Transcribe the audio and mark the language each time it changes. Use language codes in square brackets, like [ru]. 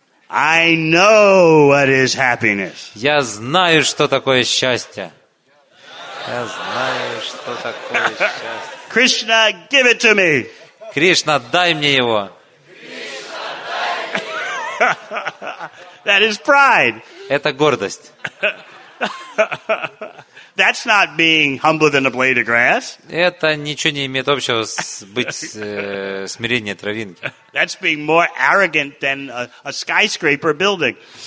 [en] I know what is happiness. [ru] Я знаю, что такое счастье. Я знаю, что такое счастье. [en] Krishna, give it to me. [ru] Кришна, дай мне его. [en] That is pride. [ru] Это гордость. [en] That's not being humbler than a blade of grass. [ru] Это ничего не имеет общего с быть смиреннее травинки. [en] That's being more arrogant than a skyscraper building.